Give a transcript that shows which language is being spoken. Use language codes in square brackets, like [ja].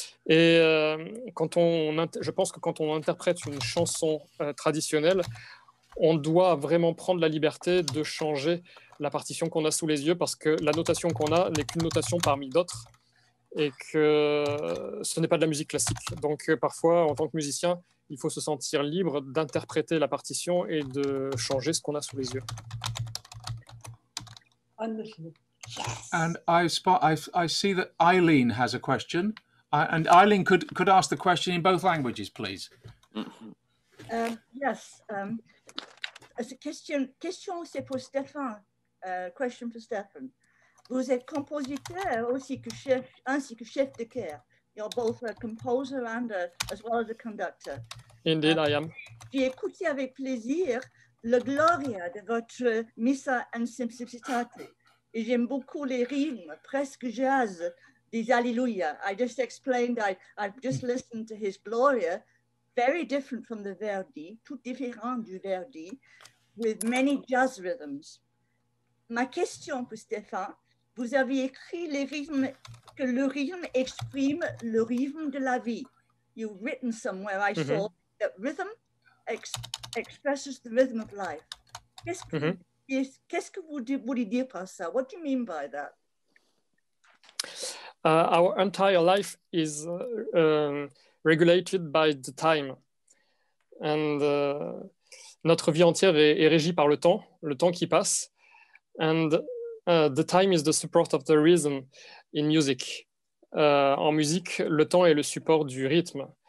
[fr] Et je pense que quand on interprète une chanson traditionnelle, on doit vraiment prendre la liberté de changer la partition qu'on a sous les yeux, parce que la notation qu'on a n'est qu'une notation parmi d'autres, et que ce n'est pas de la musique classique. Donc parfois, en tant que musicien, il faut se sentir libre d'interpréter la partition et de changer ce qu'on a sous les yeux. [en] And I see that Eileen has a question. And Eileen could ask the question in both languages, please. Yes. [fr] Question, c'est pour Stéphane. [en] Question for Stéphane. [fr] Vous êtes compositeur aussi que chef, ainsi que chef de chœur. [en] You're both a composer and as well as a conductor. Indeed, I am. [fr] J'ai écouté avec plaisir le Gloria de votre Missa en Simplicitate. Et j'aime beaucoup les rimes, presque jazz, des Alléluia. [en] I just explained, I've just listened to his Gloria. Very different from the Verdi, [fr] tout différent du Verdi, [en] with many jazz rhythms. [fr] Ma question pour Stéphane, vous avez écrit les rythmes, que le rythme exprime le rythme de la vie. [en] You've written somewhere, I saw, that rhythm expresses the rhythm of life. [fr] Qu'est-ce que vous voulez dire par ça? [en] What do you mean by that? Our entire life is regulated by the time. And [fr] notre vie entière est régie par le temps qui passe. [en] And the time is the support of the rhythm in music. [fr] En musique, le temps est le support du rythme.